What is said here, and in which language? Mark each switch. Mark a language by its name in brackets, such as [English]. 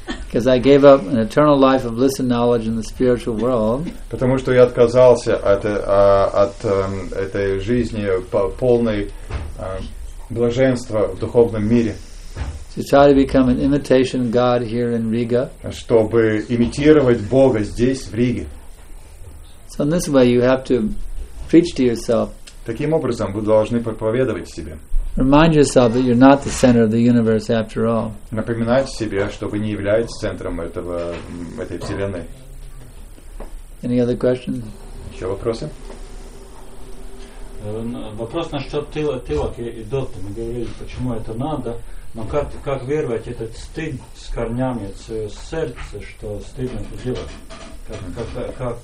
[English] Because I gave up an eternal life of bliss and knowledge in the spiritual world. [Russian] Потому что я отказался от этой жизни полной блаженства в духовном мире. [English] To try to become an imitation God here in Riga. [Russian] Чтобы имитировать Бога здесь, в Риге. [English] So in this way you have to preach to yourself. [Russian] Таким образом, вы должны проповедовать себе. [English] Remind yourself that you're not the center of the universe after all. [Russian] Напоминайте себе, что вы не являетесь центром этой вселенной. [English] Any other questions? [Russian] Еще вопросы? Вопрос насчет тылок и доты. Мы говорили, почему это надо, но как вырвать этот стыд с корнями, свое сердце, что стыдно это делать?